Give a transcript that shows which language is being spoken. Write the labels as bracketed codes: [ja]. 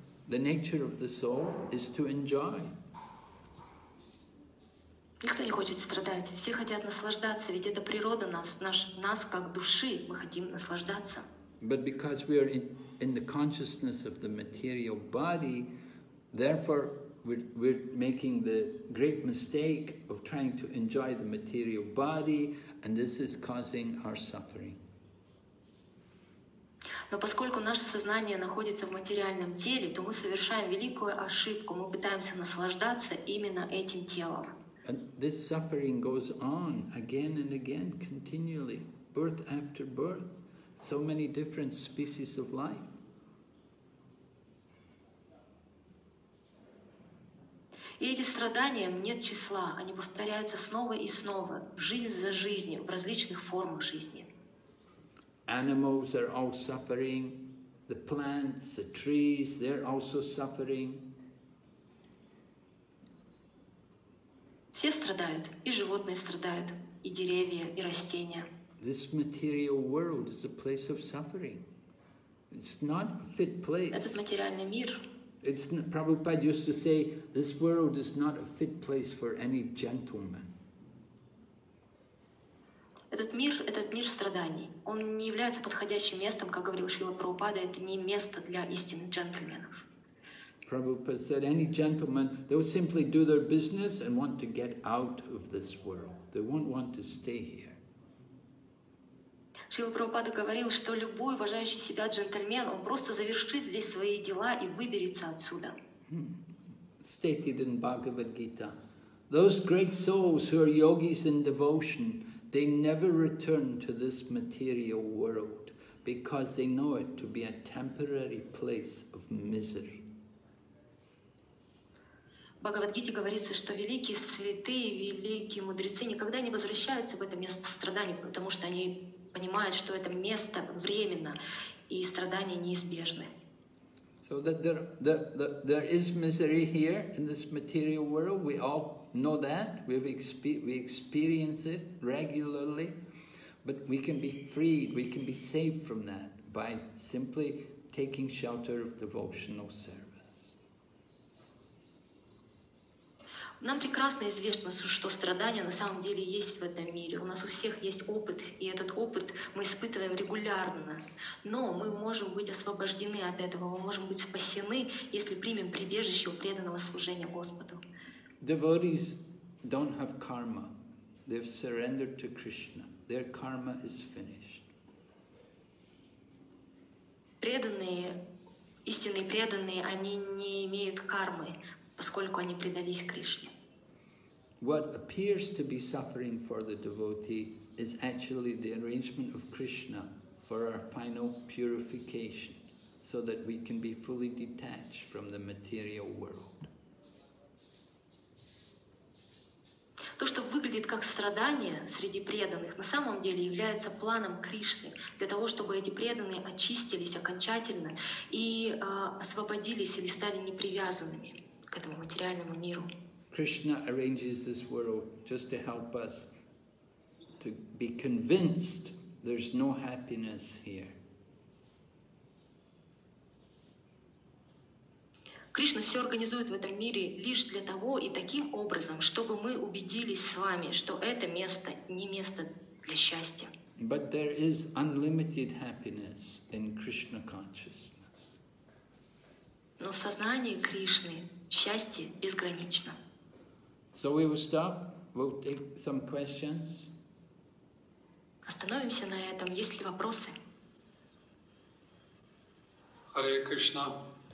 [en] The nature of the soul is to enjoy. [ru] Никто не хочет страдать, все хотят наслаждаться, ведь это природа нас как души, мы хотим наслаждаться. [en] But because we are in the consciousness of the material body, therefore we're making the great mistake of trying to enjoy the material body, and this is causing our suffering. [ru] Но поскольку наше сознание находится в материальном теле, то мы совершаем великую ошибку. Мы пытаемся наслаждаться именно этим телом. [en] And this suffering goes on again and again, continually, birth after birth, so many different species of life. [ru] И эти страдания нет числа, они повторяются снова и снова, жизнь за жизнью, в различных формах жизни. [en] Animals are all suffering, the plants, the trees, they're also suffering. [ru] Все страдают, и животные страдают, и деревья, и растения. [en] This material world is a place of suffering. It's not a fit place. [ru] Этот материальный мир. [en] It's not, Prabhupada used to say, this world is not a fit place for any gentleman. [ru] Этот мир страданий. Он не является подходящим местом, как говорил Шрила Прабхупада, это не место для истинных джентльменов. [en] Prabhupada said, any gentleman, they will simply do their business and want to get out of this world. They won't want to stay here. [ru] Шрила Прабхупада говорил, что любой уважающий себя джентльмен, он просто завершит здесь свои дела и выберется отсюда. [en] Stated in Bhagavad Gita, those great souls who are yogis in devotion, they never return to this material world because they know it to be a temporary place of misery. [ru] В Бхагавад-гите говорится, что великие святые, великие мудрецы никогда не возвращаются в это место страданий, потому что они понимают, что это место временно, и страдания неизбежны. [en] So that there is misery here in this material world. We all know that. We experience it regularly. But we can be freed, we can be saved from that by simply taking shelter of devotional service. [ru] Нам прекрасно известно, что страдания на самом деле есть в этом мире. У нас у всех есть опыт, и этот опыт мы испытываем регулярно. Но мы можем быть освобождены от этого, мы можем быть спасены, если примем прибежище у преданного служения Господу. [en] Devotees don't have karma. They've surrendered to Krishna. Their karma is finished. [ru] Преданные, истинные преданные, они не имеют кармы, поскольку они предались Кришне. [en] What appears to be suffering for the devotee is actually the arrangement of Krishna for our final purification, so that we can be fully detached from the material world. [ru] То, что выглядит как страдание среди преданных, на самом деле является планом Кришны для того, чтобы эти преданные очистились окончательно и освободились или стали непривязанными к этому материальному миру. [en] Krishna arranges this world just to help us to be convinced there's no happiness here. [ru] Кришна все организует в этом мире лишь для того и таким образом, чтобы мы убедились с вами, что это место не место для счастья. [en] But there is unlimited happiness in Krishna consciousness. [ru] Но в сознании Кришны счастье безгранично. [en] So we will stop. We'll take some questions. [ru] Остановимся на этом. Есть ли вопросы? Харе Кришна.